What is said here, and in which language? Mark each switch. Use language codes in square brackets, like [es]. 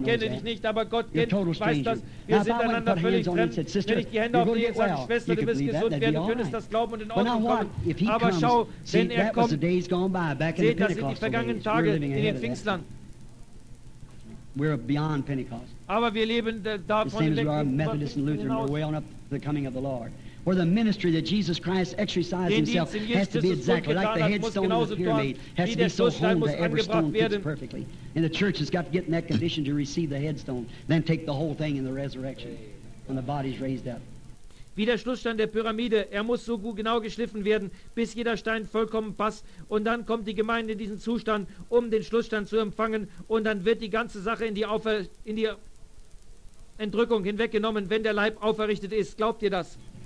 [de] Nun, ich stehe hier, kenne dich nicht, aber Gott kennt, weiß das. Wir sind einander völlig fremd. Wenn ich die Hände auflege und sage, Schwester, du bist gesund, wer du könntest das glauben und in Ordnung kommen. Aber schau, wenn er kommt, seht, das sind die vergangenen Tage in den Pfingstern. [en] We're beyond Pentecost. [de] Aber wir leben davon hinaus. [en] The same as our Methodists and Lutherans, we're well up to the coming of the Lord. Or the ministry that Jesus Christ exercised himself has to be exactly like the headstone of the pyramid. Has to be so honed that every stone fits perfectly. And the church has got to get in that condition to receive the headstone, then take the whole thing in the resurrection when the body's raised up. [de] Wie der Schlussstein der Pyramide, er muss so gut genau geschliffen werden, bis jeder Stein vollkommen passt. Und dann kommt die Gemeinde in diesen Zustand, um den Schlussstein zu empfangen. Und dann wird die ganze Sache in die Entrückung hinweggenommen, wenn der Leib auferrichtet ist. Glaubt ihr das?